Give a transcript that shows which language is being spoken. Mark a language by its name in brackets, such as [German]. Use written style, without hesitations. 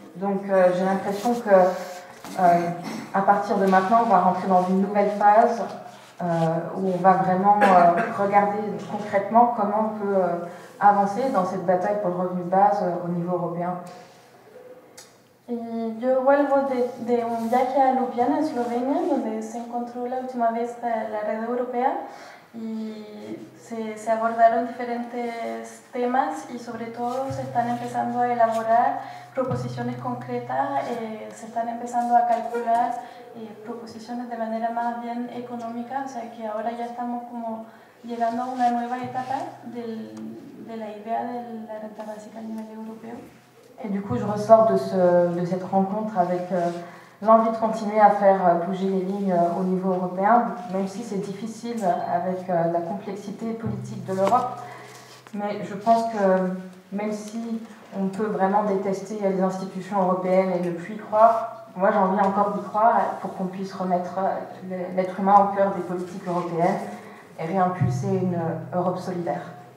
[French] Donc j'ai l'impression que à partir de maintenant, on va rentrer dans une nouvelle phase où on va vraiment regarder concrètement comment on peut avancer dans cette bataille pour le revenu de base au niveau européen. [Spanish] Y yo vuelvo de un viaje a Ljubljana, Eslovenia, donde se encontró la última vez la red europea y se abordaron diferentes temas y sobre todo se están empezando a elaborar proposiciones concretas, se están empezando a calcular proposiciones de manera más bien económica, o sea que ahora ya estamos como llegando a una nueva etapa de la idea de la renta básica a nivel europeo. [French] Et du coup, je ressors de cette rencontre avec l'envie de continuer à faire bouger les lignes au niveau européen, même si c'est difficile avec la complexité politique de l'Europe. Mais je pense que même si on peut vraiment détester les institutions européennes et ne plus y croire, moi j'ai envie encore d'y croire pour qu'on puisse remettre l'être humain au cœur des politiques européennes et réimpulser une Europe solidaire.